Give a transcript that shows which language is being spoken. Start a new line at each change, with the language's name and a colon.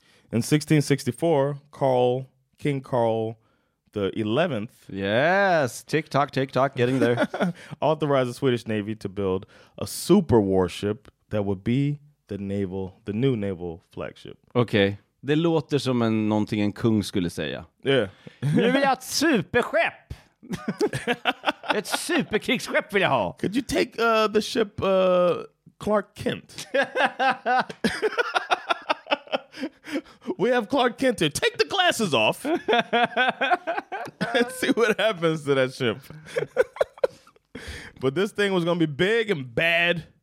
English: In 1664, King Carl the 11th. Yes, tick tock, getting there. authorized the Swedish Navy to build a super warship that would be the new naval flagship. Okay.
Swedish: Det låter som en någonting en kung skulle säga.
English: Yeah.
Swedish: Nu vill jag ett superskepp. Ett superkrigsskepp vill jag ha.
English: Could you take the ship Clark Kent? We have Clark Kent here. Take the glasses off. Let's see what happens to that ship. But this thing was going to be big and bad.